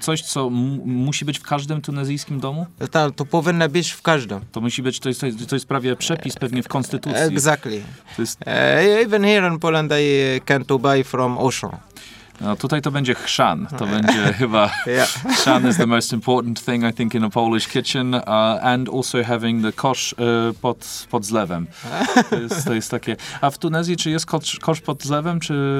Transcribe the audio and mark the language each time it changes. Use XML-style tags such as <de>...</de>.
<pl>Coś, co musi być w każdym tunezyjskim domu? Tak, to powinno być w każdym. To musi być, to jest prawie przepis pewnie w konstytucji.</pl> <en>Exactly. Even here in Poland I can to buy from ocean.</en> <pl>No tutaj to będzie chrzan, to będzie chyba,</pl> <en>yeah. Chrzan is the most important thing I think in a Polish kitchen and also having the</en> <pl>kosz pod zlewem, to jest takie. A w Tunezji czy jest kosz pod zlewem, czy?</pl>